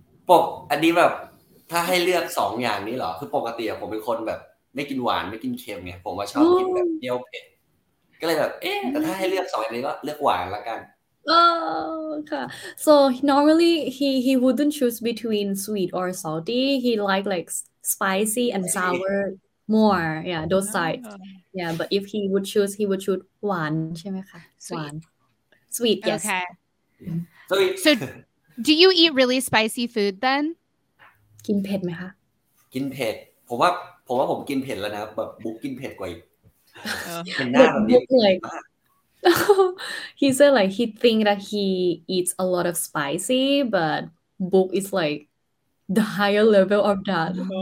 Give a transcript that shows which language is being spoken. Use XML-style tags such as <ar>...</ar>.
<th>ปกอันนี้แบบถ้าให้เลือก2อย่างนี้เหรอคือปกติผมเป็นคนแบบไม่กินหวานไม่กินเค็มไงผมว่าชอบกินแบบเปรี้ยวเผ็ดก็เลยแบบเอ๊ะแต่ถ้าให้เลือกสองอย่างนี้ก็เลือกหวานละกัน โอ้ค่ะ</th> <en>so normally he wouldn't choose between sweet or salty he like spicy and sour more yeah those sides yeah but if he would choose</en> <th>หวานใช่ไหมคะหวาน</th> <en>sweet yes okay so do you eat really spicy food then</en> <th>กินเผ็ดไหมคะ กินเผ็ดผมว่าผมกินเผ็ดแล้วนะครับแบบบุ๊กกินเผ็ดกว่าอีกเห็นหน้าแบบนี้ เหนื่อย</th> <en>He said like he think that he eats a lot of spicy but book is like the higher level of that</en>